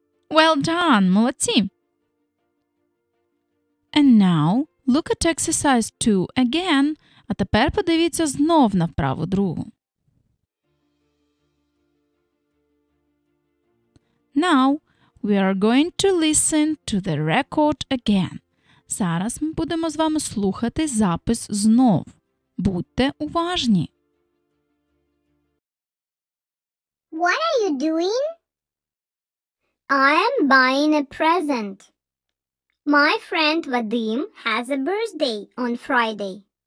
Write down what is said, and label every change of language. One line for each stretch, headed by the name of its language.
English: Well done!
Ukrainian: Молодці!
English: And now, look at exercise 2 again.
Ukrainian: А тепер подивіться знов на вправу другу.
English: Now, we are going to listen to the record again.
Ukrainian: Зараз ми будемо з вами слухати запис знов. Будьте уважні.
English: What are you doing? I am buying a present. My friend Vadim has a birthday on Friday.